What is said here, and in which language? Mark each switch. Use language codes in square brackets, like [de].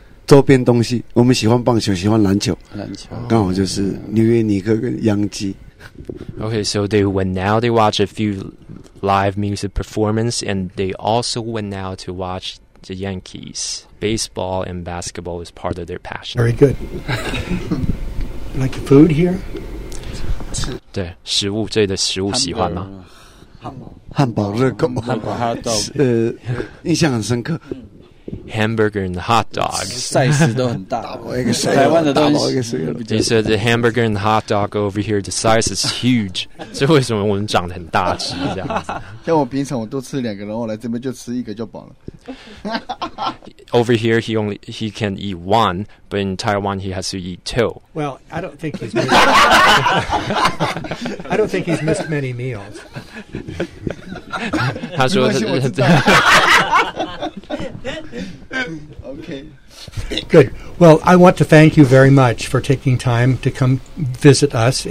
[zh] 周边东西，我们喜欢棒球，喜欢篮球。篮球刚好就是纽约尼克跟洋基。 [en] Okay, so they went out. They watch a few live music performance, and they also went out to watch the Yankees. Baseball and basketball is part of their passion. Very good. Like food here? [zh] 对，食物，这里的食物喜欢吗？汉堡热狗，汉堡哈豆，印象很深刻。 [en] hamburger and hot dogs. [zh] Size 都很大，台湾的东西。 [en] He said the hamburger and hot dog over here, the size is huge. [zh] 所以为什么我们长得很大只这样子？像我平常我都吃两个，然后我来这边就吃一个就饱了。 [en] Over here, he can eat one, but in Taiwan, he has to eat two. Well, I don't think he's missed, I don't think he's missed many meals. [zh] 他说：“Okay, [en] good. Well, I want to thank you very much for taking time to come visit us.